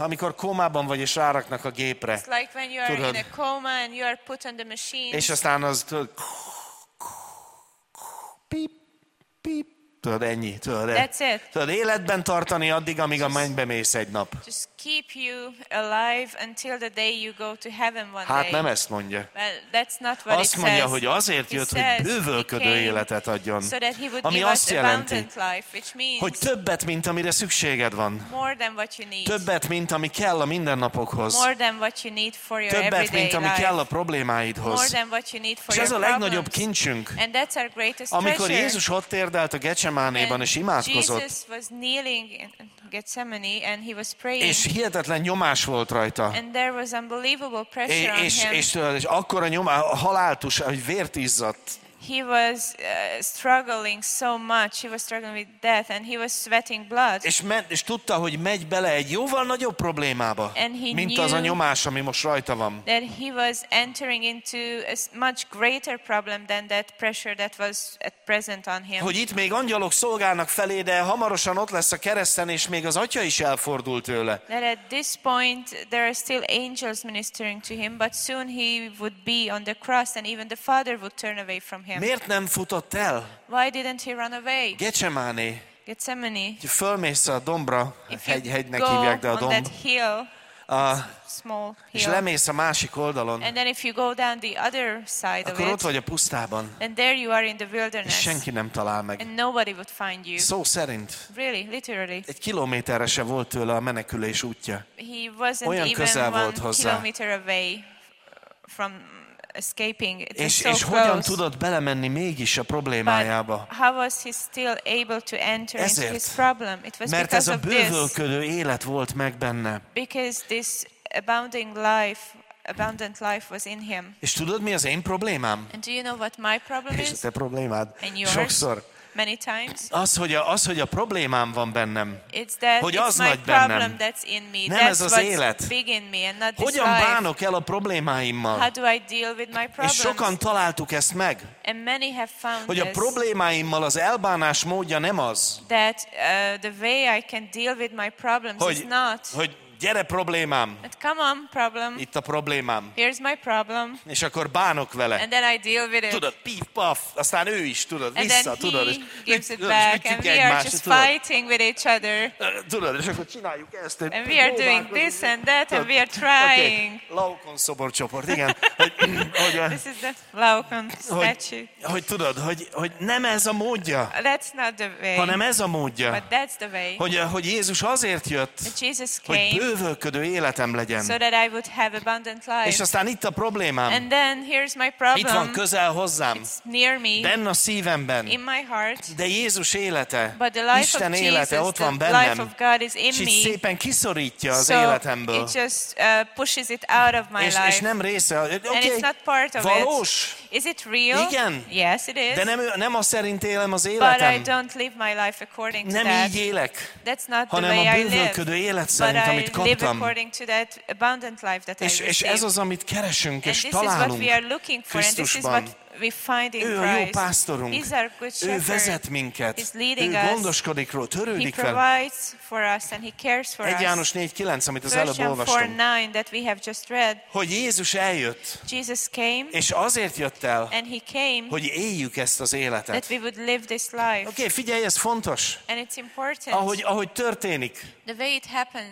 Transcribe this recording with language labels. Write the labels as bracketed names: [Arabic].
[Hungarian] amikor kómában vagy és ráraknak a gépre. [English] It's like when you are [Hungarian] tudod, [English] in a coma and you are put on the machine. [Hungarian] És aztán az pip pip. Tudod, ennyi. Tudod, [English] that's it. [Hungarian] Tudod, életben tartani addig, amíg [English] just, [Hungarian] a mennybe mész egy nap. [English] Just keep you alive until the day you go to heaven one day. [Hungarian] Hát nem ezt mondja. [English] Well, that's not what [Hungarian] azt [English] it [Hungarian] mondja, [English] says. [Hungarian] Hogy azért jött, hogy bővölködő életet adjon. [English] So that he would [Hungarian] ami [English] give [Hungarian] azt jelenti, [English] life, which means [Hungarian] hogy többet, mint amire szükséged van. [English] More than what you need. [Hungarian] Többet, mint ami kell a mindennapokhoz. [English] More than what you need for your [Hungarian] többet, [English] everyday [Hungarian] mint ami [English] life. [Hungarian] Kell a problémáidhoz. [English] More than what you need for your [Hungarian] ez a legnagyobb kincsünk. [English] And that's our greatest treasure. [Hungarian] Amikor Jézus ott térdelt a Getsemánéban, és imádkozott. [English] Jesus was kneeling in Gethsemane and he was praying. [Hungarian] És hihetetlen nyomás volt rajta. [English] And there was unbelievable pressure on him. [Hungarian] És akkor a nyomás, a haláltus, hogy vért izzadt. [English] He was struggling so much. He was struggling with death and he was sweating blood. [Hungarian] És tudta, hogy megy bele egy jóval nagyobb problémába, mint az a nyomás, ami most rajta van. [English] That he was entering into a much greater problem than that pressure that was at present on him. [Hungarian] Hogy itt még angyalok szolgálnak felé, de hamarosan ott lesz a kereszten, és még az atya is elfordul tőle. [English] That at this point there are still angels ministering to him, but soon he would be on the cross and even the father would turn away from him. [Hungarian] Miért nem futott el? [English] Why didn't he run away? [Hungarian] Getsemáné. [English] Getsemani. [Hungarian] Fölmész a dombra, hegynek hívják, de a domb. [English] On that hill, small hill. [Hungarian] És lemész a másik oldalon. [English] And then if you go down the other side [Hungarian] akkor [English] of [Hungarian] ott vagy a pusztában. [English] And there you are in the wilderness. [Hungarian] És senki nem talál meg. [English] And nobody would find you. [Hungarian] Szó szerint. [English] Really, literally. [Hungarian] Egy kilométerre se volt tőle a menekülés útja. [English] He wasn't [Hungarian] olyan [English] even [Hungarian] közel [English] one [Hungarian] volt hozzá. [English] Kilometer away from escaping. [Hungarian] És, [English] so [Hungarian] és hogyan tudott belemenni mégis a problémájába? [English] But how was he still able to enter [Hungarian] ezért, [English] into his problem? It was [Hungarian] mert [English] because [Hungarian] ez a bővölködő élet volt meg benne. [English] Because this abounding life, abundant life was in him. [Hungarian] És tudod, mi az én problémám? [English] And do you know what my problem is? [Hungarian] És te problémád? [English] And yours? [Hungarian] Sokszor. [English] Many times. [Hungarian] Az, hogy a problémám van bennem. [English] It's that [Hungarian] hogy [English] it's [Hungarian] az [English] my [Hungarian] nagy [English] problem [Hungarian] bennem. [English] That's in me. [Hungarian] Nem [English] that's [Hungarian] ez az [English] what's [Hungarian] élet. [English] Big in me and not this [Hungarian] hogyan [English] life. [Hungarian] Bánok el a problémáimmal? [English] How do I deal with my problems? [Hungarian] És sokan találtuk ezt meg. [English] And many have found [Hungarian] hogy a problémáimmal az elbánás módja nem az. [English] That the way I can deal with my problems [Hungarian] hogy, [English] is not. [Hungarian] Hogy gyere problémám. [English] But come on, problem. [Hungarian] Itt a problémám. [English] Here's my problem. [Hungarian] És akkor bánok vele. [English] And then I deal with it. [Hungarian] Tudod, pif, paf, aztán ő is, tudod, [English] and [Hungarian] vissza, tudod. [English] And then he gives it back, and we are just fighting with each other. [Hungarian] Tudod, és akkor csináljuk ezt. [English] And we are doing this and that, and we are trying. Okay. [Hungarian] Laokon szoborcsoport, igen. [English] This is the Laokon statue. [Hungarian] Hogy tudod, hogy nem ez a módja. [English] That's not the way. [Hungarian] Hanem ez a módja. [English] But that's the way. [Hungarian] Hogy Jézus azért jött, [English] that Jesus came. [Hungarian] Hogy bővölködő életem legyen. [English] So that I would have abundant life. [Hungarian] És aztán itt a problémám. [English] And then here's my problem. [Hungarian] Itt van közel hozzám. [English] It's near me. [Hungarian] Benn a szívemben. [English] In my heart. [Hungarian] De Jézus élete, [English] but the life [Hungarian] Isten [English] of Jesus, [Hungarian] élete ott van [English] the [Hungarian] bennem. [English] Life of God is in [Hungarian] és [English] me. [Hungarian] Szépen kiszorítja az [English] so [Hungarian] életemből. [English] It just pushes it out of my [Hungarian] és, [English] life. [Hungarian] És nem része. [English] And okay, it's not part of [Hungarian] valós. [English] It. Is it real? [Hungarian] Igen. [English] Yes, it is. [Hungarian] De nem az szerint élem az életem. [English] But I don't live my life according to [Hungarian] nem [English] that. [Hungarian] Nem így élek. [English] That's not the [Hungarian] hanem [English] way [Hungarian] a bővölködő élet szerint, [English] but [Hungarian] amit kaptam. [English] I live according to that abundant life that I received. [Hungarian] És ez az, amit keresünk, [English] and [Hungarian] és találunk [English] what we are looking for, [Hungarian] Krisztusban. [English] And this is what we find in [Hungarian] ő [English] Christ. [Hungarian] A jó pásztorunk. [English] He's our good shepherd. [Hungarian] Ő vezet minket. [English] He's leading us. [Hungarian] Ő gondoskodik ról, törődik vel. [English] He provides for us and he cares for us. [Hungarian] 1 János 4:9, amit az előbb olvastunk. [English] 4:9 that we have just read. [Hungarian] Hogy Jézus eljött. [English] Jesus came. [Hungarian] És azért jött el. [English] And he came. [Hungarian] Hogy éljük ezt az életet. [English] That we would live this life. [Hungarian] Oké, figyelj, ez fontos. [English] And it's important. [Hungarian] Ahogy történik. [English] The way it happens.